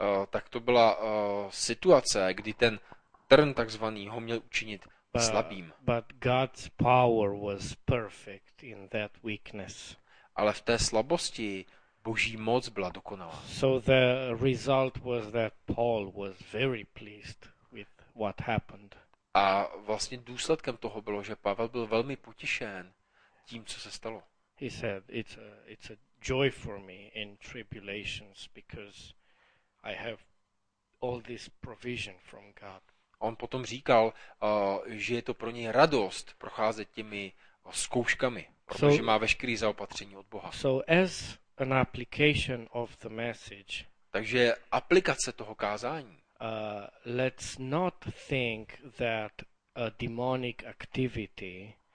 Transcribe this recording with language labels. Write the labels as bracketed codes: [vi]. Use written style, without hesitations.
[cs] Tak to byla situace, kdy ten trn takzvaný ho měl učinit slabým. [en] But God's power was perfect in that weakness. [cs] Ale v té slabosti Boží moc byla dokonalá. [en] So the result was that Paul was very pleased with what happened. [cs] A vlastně důsledkem toho bylo, že Pavel byl velmi potěšen tím, co se stalo. [en] He said it's a joy for me in tribulations because I have all this provision from God. [cs] On potom říkal, že je to pro něj radost procházet těmi zkouškami, protože má veškerý zaopatření od Boha. [en] So as an application of the message. [cs] Takže aplikace toho kázání. [en] Let's not think that a demonic activity.